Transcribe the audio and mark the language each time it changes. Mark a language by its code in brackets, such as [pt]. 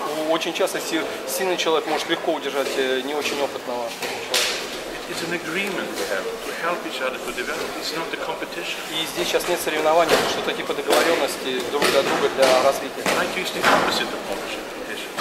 [ru] Очень часто сильный человек может легко удержать не очень опытного человека. [en] It's an agreement we have to help each other to develop. It's not a competition. [ru] И здесь сейчас нет соревнований, это что-то типа договоренности друг для друга для развития. [en] Like it's the opposite of competition.